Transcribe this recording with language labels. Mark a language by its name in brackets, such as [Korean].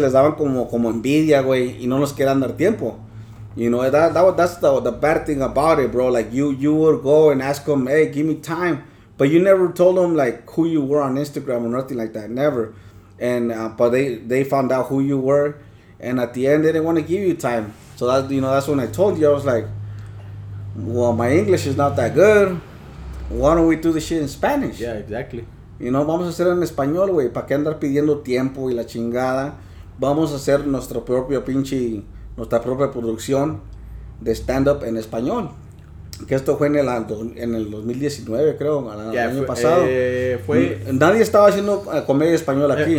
[Spanish] les daban como envidia, güey, y no nos querían dar tiempo. [English] You know, that's the bad thing about it, bro. Like, you would go and ask them, hey, give me time. But you never told them, like, who you were on Instagram or nothing like that. Never. And but they found out who you were. And at the end, they didn't want to give you time. So, that's when I told you. I was like, well, my English is not that good. Why don't we do the shit in Spanish? Yeah, exactly. You know, [Spanish] vamos a hacer en español, güey. ¿Para qué andar pidiendo tiempo y la chingada? Vamos a hacer nuestra propia producción de stand-up en español. Que esto fue en el 2019, creo, año pasado. Fue, nadie estaba haciendo comedia española aquí.